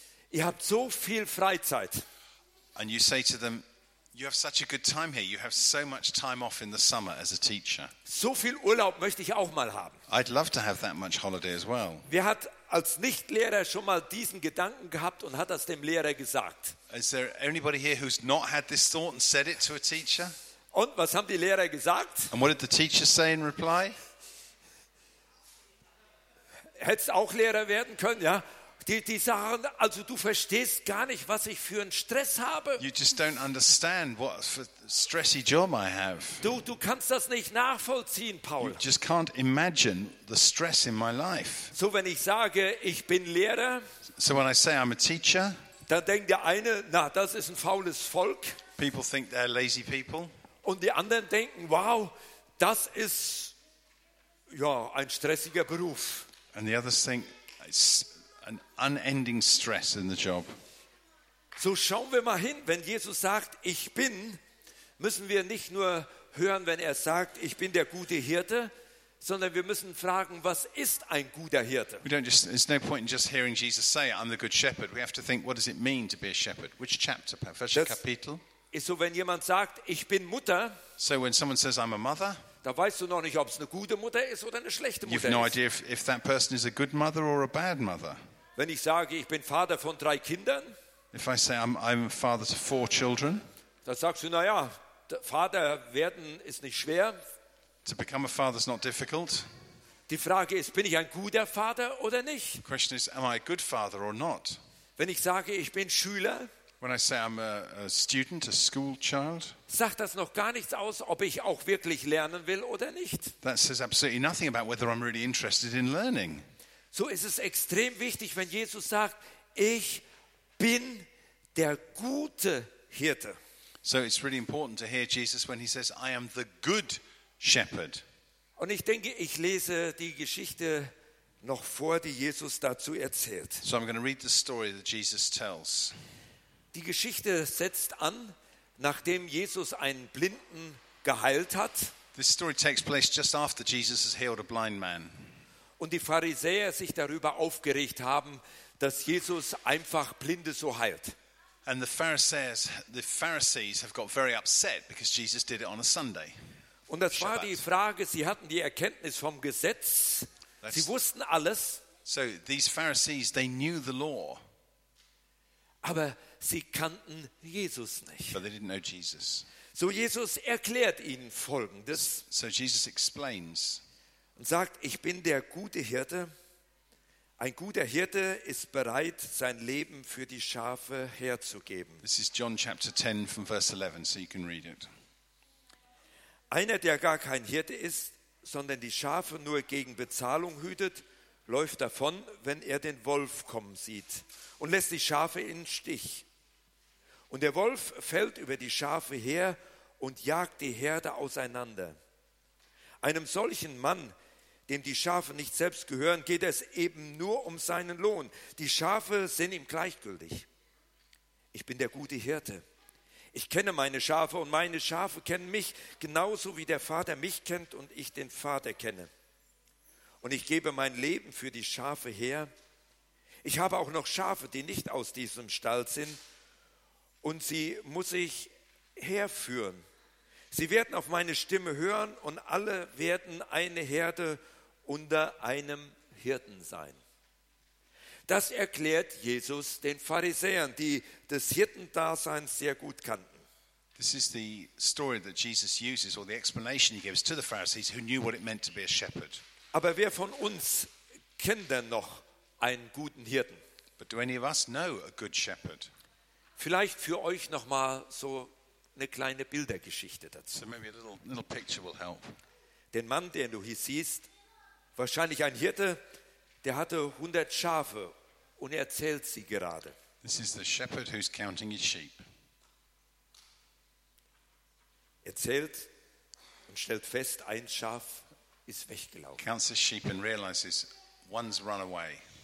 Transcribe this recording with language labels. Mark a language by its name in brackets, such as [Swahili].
[German] Ihr habt so viel Freizeit. [English] And you say to them, you have such a good time here. You have so much time off in the summer as a teacher. [German] So viel Urlaub möchte ich auch mal haben. [English] I'd love to have that much holiday as well. [German] Wer hat als Nichtlehrer schon mal diesen Gedanken gehabt und hat das dem Lehrer gesagt? [English] Is there anybody here who's not had this thought and said it to a teacher? [German] Und was haben die Lehrer gesagt? [English] And what did the teacher say in reply? [German] Hättest auch Lehrer werden können, ja? Die sagen, also du verstehst gar nicht, was ich für einen Stress habe. [English] You just don't understand what for stressy job I have. [German] Du kannst das nicht nachvollziehen, Paul. [English] You just can't imagine the stress in my life. [German] So wenn ich sage, ich bin Lehrer, [English] so when I say I'm a teacher, [German] dann denkt der eine, na, das ist ein faules Volk. [English] People think they're lazy people. [German] Und die anderen denken, wow, das ist ja ein stressiger Beruf. [English] And the others think it's an unending stress in the job. [German] So schauen wir mal hin, wenn Jesus sagt, ich bin, müssen wir nicht nur hören, wenn er sagt, ich bin der gute Hirte, sondern wir müssen fragen, was ist ein guter Hirte? [English] There's no point in just hearing Jesus say, I'm the good shepherd. We have to think, what does it mean to be a shepherd? Which chapter? [German] Welcher Kapitel? Ist so, wenn jemand sagt, ich bin Mutter. [English] So when someone says, I'm a mother. [German] Da weißt du noch nicht, ob es eine gute Mutter ist oder eine schlechte Mutter. [English] You have no idea if that person is a good mother or a bad mother. [German] Wenn ich sage, ich bin Vater von 3 Kindern, [English] if I say I'm a father to 4 children, [German] dann sagst du, na ja, Vater werden ist nicht schwer. [English] To become a father is not difficult. [German] Die Frage ist, bin ich ein guter Vater oder nicht? [English] The question is, am I a good father or not? [German] Wenn ich sage, ich bin Schüler, [English] when I say I'm a student, a school child, [German] sagt das noch gar nichts aus, ob ich auch wirklich lernen will oder nicht. [English] That says absolutely nothing about whether I'm really interested in learning. [German] So ist es extrem wichtig, wenn Jesus sagt, ich bin der gute Hirte. [English] So it's really important to hear Jesus when he says, I am the good shepherd. [German] Und ich denke, ich lese die Geschichte noch vor, die Jesus dazu erzählt. [English] So I'm going to read the story that Jesus tells. [German] Die Geschichte setzt an, nachdem Jesus einen Blinden geheilt hat. [English] This story takes place just after Jesus has healed a blind man. [German] Und die Pharisäer sich darüber aufgeregt haben, dass Jesus einfach Blinde so heilt. [English] And the Pharisees have got very upset because Jesus did it on a Sunday. [German] Und das Shabbat. War die Frage, sie hatten die Erkenntnis vom Gesetz. Sie wussten alles. [English] So these Pharisees, they knew the law. [German] Aber sie kannten Jesus nicht. [English] But they didn't know Jesus. [German] So Jesus erklärt ihnen Folgendes. [English] So Jesus explains. [German] Und sagt, ich bin der gute Hirte. Ein guter Hirte ist bereit, sein Leben für die Schafe herzugeben. [English] This is John chapter 10 from verse 11, so you can read it. [German] Einer, der gar kein Hirte ist, sondern die Schafe nur gegen Bezahlung hütet, läuft davon, wenn er den Wolf kommen sieht und lässt die Schafe in den Stich. Und der Wolf fällt über die Schafe her und jagt die Herde auseinander. Einem solchen Mann, dem die Schafe nicht selbst gehören, geht es eben nur um seinen Lohn. Die Schafe sind ihm gleichgültig. Ich bin der gute Hirte. Ich kenne meine Schafe und meine Schafe kennen mich genauso wie der Vater mich kennt und ich den Vater kenne. Und ich gebe mein Leben für die Schafe her. Ich habe auch noch Schafe, die nicht aus diesem Stall sind. Und sie muss ich herführen. Sie werden auf meine Stimme hören und alle werden eine Herde unter einem Hirten sein. Das erklärt Jesus den Pharisäern, die das Hirtendasein sehr gut kannten. [English] This is the story that Jesus uses, or the explanation he gives to the Pharisees who knew what it meant to be a shepherd. [German] Aber wer von uns kennt denn noch einen guten Hirten? [English] But do any of us know a good shepherd? [German] Vielleicht für euch noch mal so eine kleine Bildergeschichte dazu. [English] So maybe a little picture will help. [German] Den Mann, den du hier siehst, wahrscheinlich ein Hirte, der hatte 100 Schafe und er zählt sie gerade. [English] This is the shepherd who's counting his sheep. [German] Er zählt und stellt fest, ein Schaf ist weggelaufen. [English] Counts his sheep and realizes one's run away.